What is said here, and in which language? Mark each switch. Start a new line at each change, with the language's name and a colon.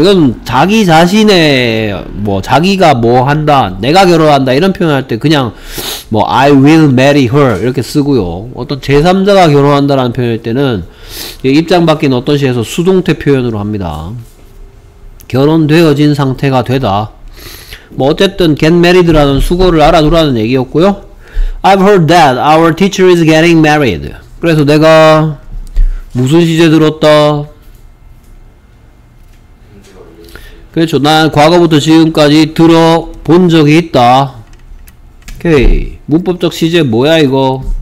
Korean: 이건 자기 자신의, 뭐, 자기가 뭐 한다, 내가 결혼한다, 이런 표현할 때 그냥, 뭐,
English: I will marry her,
Korean: 이렇게 쓰고요. 어떤 제3자가 결혼한다라는 표현일 때는, 입장 바뀐 어떤 시에서 수동태 표현으로 합니다. 결혼되어진 상태가 되다. 뭐, 어쨌든, get married라는 수거를 알아두라는 얘기였고요.
English: I've heard that our teacher is getting married.
Korean: 그래서 내가 무슨 시제 들었다? 그렇죠. 난 과거부터 지금까지 들어본 적이 있다. 오케이. 문법적 시제 뭐야 이거?